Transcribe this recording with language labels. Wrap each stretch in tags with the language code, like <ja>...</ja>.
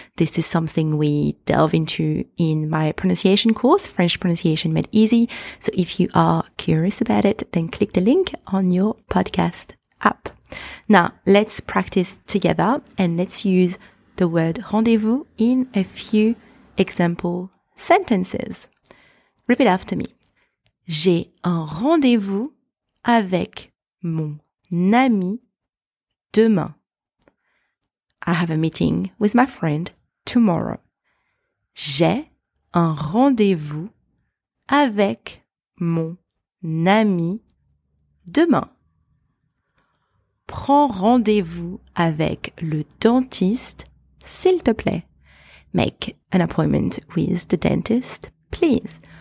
<en>This is something we delve into in my pronunciation course, French Pronunciation Made Easy. So if you are curious about it, then click the link on your podcast app. Now, let's practice together and let's use the word rendezvous in a few example sentences. Repeat after me.</en> <fr>J'ai un rendez-vous avec mon ami demain.</fr> <en>I have a meeting with my friend tomorrow.</en> <fr>J'ai un rendez-vous avec mon ami demain. Prends rendez-vous avec le dentiste, s'il te plaît.</fr> <en>Make an appointment with the dentist, please.</en>